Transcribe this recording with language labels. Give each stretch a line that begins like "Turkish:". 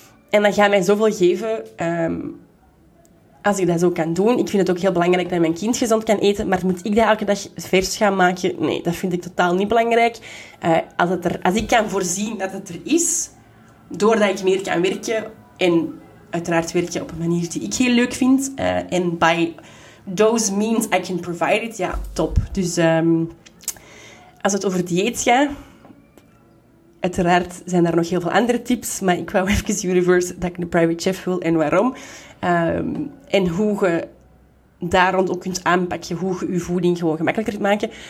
Dutch: En dat gaat mij zoveel geven als ik dat zo kan doen. Ik vind het ook heel belangrijk dat mijn kind gezond kan eten. Maar moet ik dat elke dag vers gaan maken? Nee, dat vind ik totaal niet belangrijk. Als ik kan voorzien dat het er is, doordat ik meer kan werken. En uiteraard werken op een manier die ik heel leuk vind.
English: En by those means I can provide it.
Dutch: Ja, top. Dus als het over dieet gaat... Uiteraard zijn er nog heel veel andere tips, maar ik wou even universe dat ik een private chef wil en waarom. En hoe je daar rond ook kunt aanpakken, hoe je je voeding gewoon gemakkelijker kunt maken.